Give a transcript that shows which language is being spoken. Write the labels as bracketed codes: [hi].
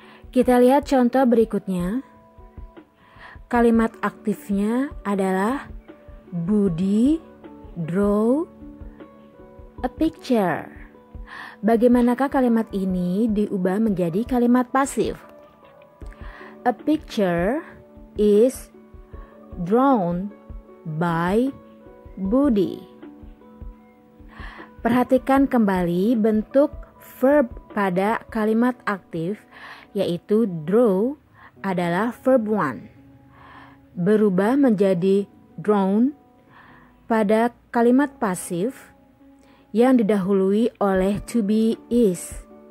[id] Kita lihat contoh berikutnya. Kalimat aktifnya adalah [en] Budi draw a picture. [id] Bagaimanakah kalimat ini diubah menjadi kalimat pasif? [en] A picture is drawn by Budi. [id] Perhatikan kembali bentuk verb pada kalimat aktif, yaitu draw adalah verb 1. Berubah menjadi drawn pada kalimat pasif yang didahului oleh to be is.